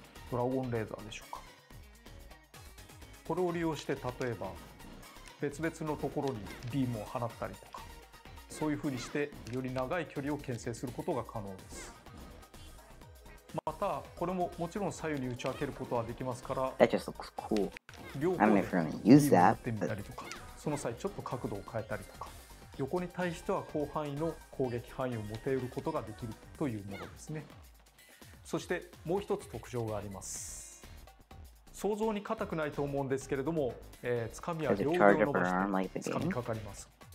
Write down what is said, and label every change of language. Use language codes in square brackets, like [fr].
[ja] ドラゴンレーザーでしょうか。これを利用して例えば別々のところにビームを放ったりとか、そういうふうにしてより長い距離を牽制することが可能です。またこれももちろん左右に打ち分けることはできますから、 [en] That just looks cool. I'm not sure I'm gonna use that, but... [ja] その際ちょっと角度を変えたりとか、横に対しては広範囲の攻撃範囲を持てることができるというものですね。そしてもう一つ特徴があります。想像に固くないと思うんですけれども、つかみは両腕を伸ばしてつかみかかります。